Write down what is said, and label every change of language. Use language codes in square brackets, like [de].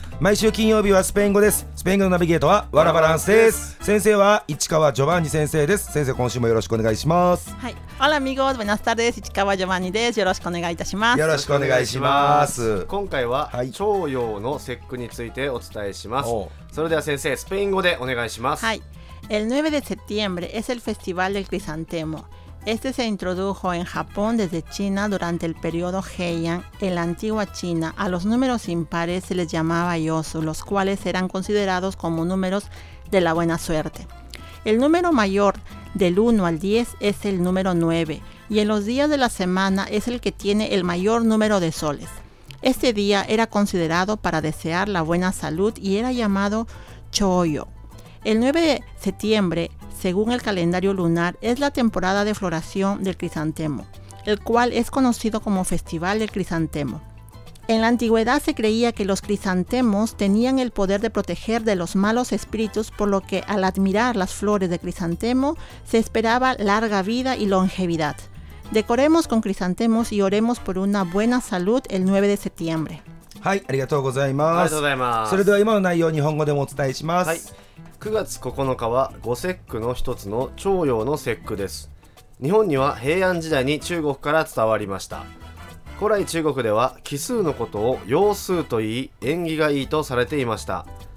[ja] 毎週金曜日はスペイン語です。スペイン語のナビゲートはワラバランスです。先生は市川ジョバンニ先生です。先生今週もよろしくお願いします。はい、アラミゴーブナスタです。市川ジョバンニです。よろしくお願いいたします。よろしくお願いします。今回は腸腰の節句についてお伝えします。それでは先生スペイン語でお願いします。 [es] はい、El 9 de septiembre es el festival del crisantemo. Este se introdujo en Japón desde China durante el periodo Heian. En la antigua China, a los números impares se les llamaba Yosu, los cuales eran considerados como números de la buena suerte. El número mayor del 1 al 10 es el número 9, y en los días de la semana es el que tiene el mayor número de soles. Este día era considerado para desear la buena salud y era llamado Choyo. El 9 de septiembre, según el calendario lunar, es la temporada de floración del crisantemo, el cual es conocido como Festival del Crisantemo. En la antigüedad se creía que los crisantemos tenían el poder de proteger de los malos espíritus, por lo que al admirar las flores de crisantemo se esperaba larga vida y longevidad. Decoremos con crisantemos y oremos por una buena salud el 9 de septiembre. [ja] はい、ありがとうございます。ありがとうございます。それでは今の内容を日本語でもお伝えします。はい、9月9日は五節句の一つの腸腰の節句です。日本には平安時代に中国から伝わりました。古来中国では奇数のことを陽数と言い、縁起がいいとされていました。